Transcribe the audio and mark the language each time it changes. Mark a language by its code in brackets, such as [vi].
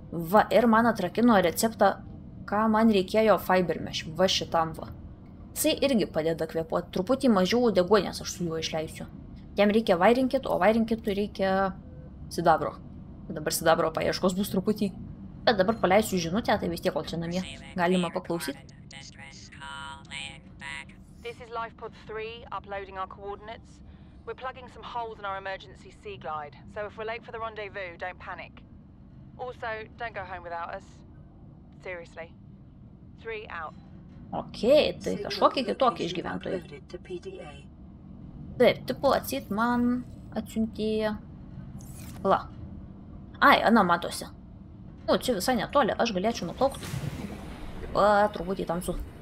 [lt] Va, ir man atrakino receptą, ką man reikėjo fiber mesh. Va, šitam va. Jisai irgi padeda kvėpuoti. Truputį mažiau deguonies aš su juo išleisiu. Jam reikia vairinkit, o vairinkitui reikia sidabro. Dabar sidabro paieškos bus truputį. Bet dabar paleisiu žinutę, tai vis tiek kol čia namie. Galima paklausyti. [en] This is LifePod 3, uploading our coordinates. We're plugging some holes in our emergency sea glide, so if we're late for the rendezvous, don't panic. Also, don't go home without us. Seriously. 3 out. [lt] Okay, tai kažkokie kitokie išgyventojai. Taip, tipo, atsit man atsiuntė. La. Ai, ana matosi. Nu, čia visai netoli, aš galėčiau nuplaukti. Va, turbūt į tamsų.